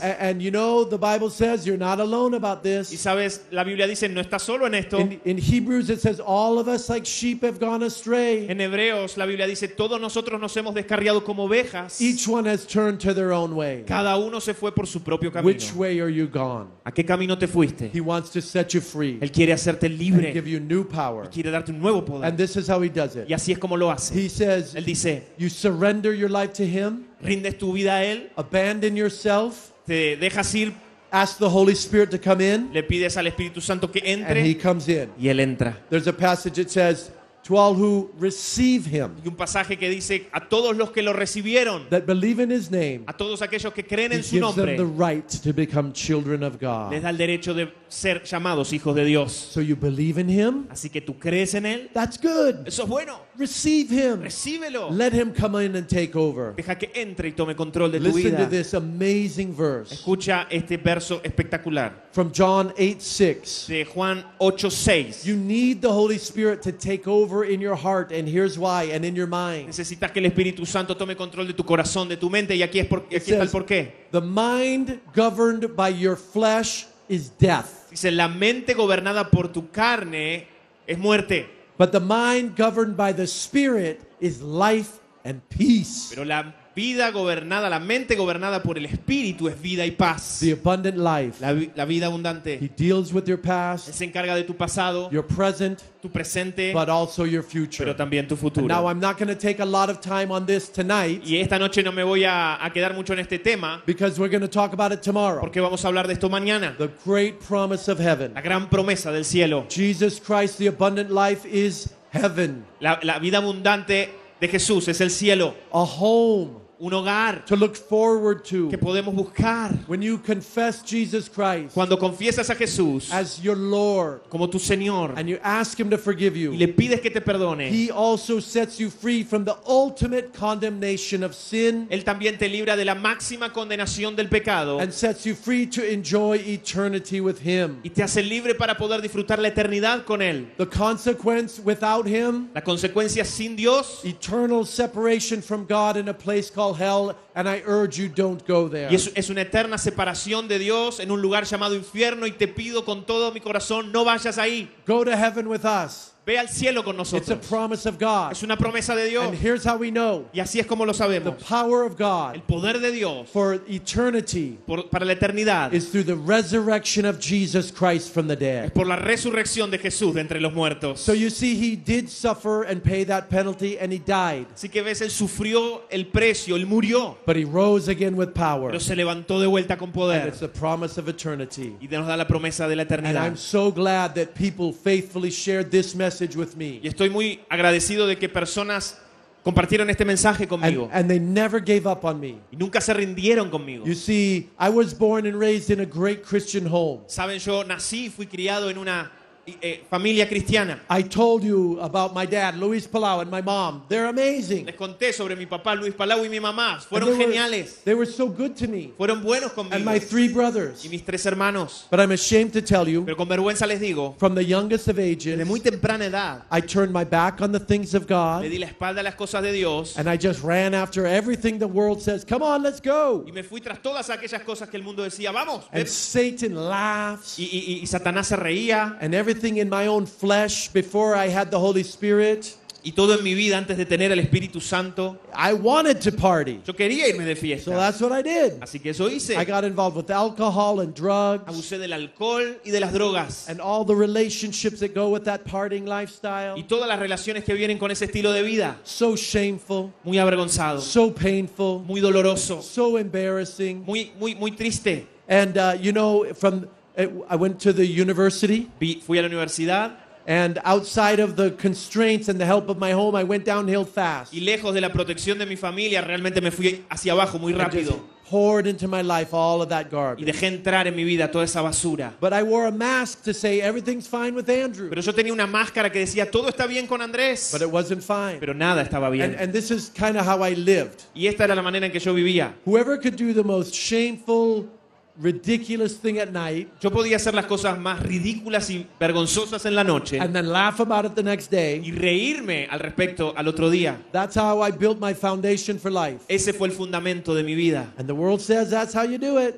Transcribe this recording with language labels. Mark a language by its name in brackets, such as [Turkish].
[English] And you know the Bible says you're not alone about this. [Spanish] Y sabes, la Biblia dice no estás solo en esto. [English] In Hebrews it says all of us like sheep have gone astray. [Spanish] En Hebreos la Biblia dice todos nosotros nos hemos descarriado como ovejas. [English] Each one has turned to their own way. [Spanish] Cada uno se fue por su propio camino. [English] Which way are you gone? [Spanish] ¿A qué camino te fuiste? [English] He wants to set you free. [Spanish] Él quiere hacerte libre. [English] And give you new power. [Spanish] Y quiere darte un nuevo poder. [English] And this is how he does it. [Spanish] Y así es como lo hace. [English] He says, [Spanish] él dice, [English] you surrender your life to him. [Spanish] Rindes tu vida a él. [English] Abandon yourself. [Spanish] Te dejas ir. [English] Ask the Holy Spirit to come in. [Spanish] Le pides al Espíritu Santo que entre. [English] And he comes in. [Spanish] Y él entra. [English] There's a passage that says, to all who receive him. [Spanish] Y un pasaje que dice a todos los que lo recibieron. [English] That believe in his name. [Spanish] A todos aquellos que creen en su nombre. [English] He gives them the right to become children of God. [Spanish] Les da el derecho de ser llamados hijos de Dios. [English] So you believe in him. [Spanish] Así que tú crees en él. [English] That's good. [Spanish] Eso es bueno. [English] Receive him. [Spanish] Recíbelo. [English] Let him come in and take over. [Spanish] Deja que entre y tome control de tu [English] Listen [Spanish] vida. [English] Listen to this amazing verse. [Spanish] Escucha este verso espectacular. [English] From John 8:6. [Spanish] De Juan 8:6. [English] You need the Holy Spirit to take over in your heart, and here's why, and in your mind. [Spanish] Necesitas que el Espíritu Santo tome control de tu corazón, de tu mente, y aquí es porque aquí está el porqué. [English] The mind governed by your flesh is death. [Spanish] Dice la mente gobernada por tu carne es muerte. [English] But the mind governed by the Spirit is life and peace. [Spanish] Pero la vida gobernada, la mente gobernada por el Espíritu es vida y paz. [English] The abundant life. [Spanish] La vida abundante. [English] He deals with your past. [Spanish] Él se encarga de tu pasado. [English] Your present. [Spanish] Tu presente, [English] but also your future. [Spanish] Pero también tu futuro. [English] Now I'm not going to take a lot of time on this tonight. [Spanish] Y esta noche no me voy a quedar mucho en este tema. [English] Because we're going to talk about it tomorrow. [Spanish] Porque vamos a hablar de esto mañana. [English] The great promise of heaven. [Spanish] La gran promesa del cielo. [English] Jesus Christ, the abundant life is heaven. [Spanish] La vida abundante de Jesús es el cielo. [English] A home. [Spanish] Un hogar [English] to look forward to. [Spanish] Que podemos buscar. [English] When you confess Jesus Christ, [Spanish] cuando confiesas a Jesús [English] as your Lord, [Spanish] como tu Señor, [English] and you ask him to forgive you, [Spanish] y le pides que te perdone, [English] he also sets you free from the ultimate condemnation of sin. [Spanish] Él también te libra de la máxima condenación del pecado, [English] and sets you free to enjoy eternity with him. [Spanish] Y te hace libre para poder disfrutar la eternidad con él. [English] The consequence without him, [Spanish] la consecuencia sin Dios, [English] eternal separation from God in a place call hell, and I urge you don't go there. [Spanish] Y es una eterna separación de Dios en un lugar llamado infierno, y te pido con todo mi corazón no vayas ahí. [English] Go to heaven with us. [Spanish] Ve al cielo con nosotros. [English] It's a promise of God. [Spanish] Es una promesa de Dios. [English] And here's how we know. [Spanish] Y así es como lo sabemos. [English] The power of God. [Spanish] El poder de Dios. [English] For eternity. [Spanish] Para la eternidad. [English] Is through the resurrection of Jesus Christ from the dead. [Spanish] Es por la resurrección de Jesús de entre los muertos. [English] So you see, he did suffer and pay that penalty, and he died. [Spanish] Así que ves, él sufrió el precio, él murió. [English] But he rose again with power. [Spanish] Pero se levantó de vuelta con poder. [English] And it's the promise of eternity. [Spanish] Y nos da la promesa de la eternidad. [English] And I'm so glad that people faithfully shared this message. With me. [Spanish] Y estoy muy agradecido de que personas compartieron este mensaje conmigo. [English] And they never gave up on me. [Spanish] Y nunca se rindieron conmigo. [English] You see, I was born and raised in a great Christian home. [Spanish] Saben, yo nací y fui criado en una familia cristiana. [English] I told you about my dad, Luis Palau, and my mom. They're amazing. [Spanish] Les conté sobre mi papá, Luis Palau, y mi mamá. Fueron geniales. [English] They were so good to me. [Spanish] Fueron buenos conmigo. [English] And my three brothers. [Spanish] Y mis tres hermanos. [English] But I'm ashamed to tell you. [Spanish] Pero con vergüenza les digo. [English] From the youngest of ages. [Spanish] De muy temprana edad. [English] I turned my back on the things of God. [Spanish] Le di la espalda a las cosas de Dios. [English] And I just ran after everything the world says. Come on, let's go. [Spanish] Y me fui tras todas aquellas cosas que el mundo decía, vamos. [English] And Satan laughs. [Spanish] Y Satanás se reía. [English] And everything in my own flesh before I had the Holy Spirit. [Spanish] y todo en mi vida antes de tener el Espíritu Santo. [English] I wanted to party. [Spanish] Yo quería irme de fiesta. [English] So that's what I did. [Spanish] Así que eso hice. [English] I got involved with alcohol and drugs. [Spanish] Abusé del alcohol y de las drogas. [English] And all the relationships that go with that partying lifestyle. [Spanish] Y todas las relaciones que vienen con ese estilo de vida. [English] So shameful. [Spanish] Muy avergonzado. [English] So painful. [Spanish] Muy doloroso. [English] So embarrassing. [Spanish] Muy triste. [English] And you know, from I went to the university. [Spanish] Fui a la universidad. [English] And outside of the constraints and the help of my home, I went downhill fast. [Spanish] Y lejos de la protección de mi familia, realmente me fui hacia abajo muy rápido. [English] And just poured into my life all of that garbage. [Spanish] Y dejé entrar en mi vida toda esa basura. [English] But I wore a mask to say everything's fine with Andrew. [Spanish] Pero yo tenía una máscara que decía todo está bien con Andrés. [English] But it wasn't fine. [Spanish] Pero nada estaba bien. [English] And this is kind of how I lived. [Spanish] Y esta era la manera en que yo vivía. [English] Whoever could do the most shameful, ridiculous thing at night. [Spanish] Yo podía hacer las cosas más ridículas y vergonzosas en la noche. [English] And then laugh about it the next day. [Spanish] Y reírme al respecto al otro día. [English] That's how I built my foundation for life. [Spanish] Ese fue el fundamento de mi vida. [English] And the world says that's how you do it.